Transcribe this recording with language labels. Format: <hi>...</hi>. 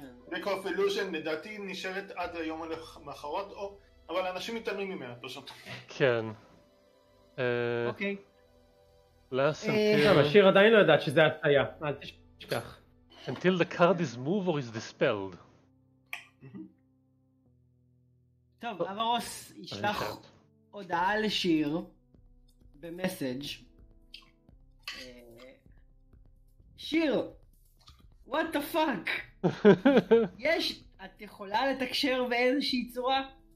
<he>דק אוף אילוז'ן לדעתי נשארת עד היום המחרות, אבל אנשים מתעלמים ממנה פשוט. כן. אוקיי. השיר עדיין לא יודעת שזה הטעיה, אל תשכח.</he> <en>Until the card is moved or is dispelled.</en> <he>טוב, אברוס ישלח הודעה לשיר במסאג' שיר,</he> <en>what the fuck?</en> <he>יש, את יכולה לתקשר באיזושהי צורה?</he>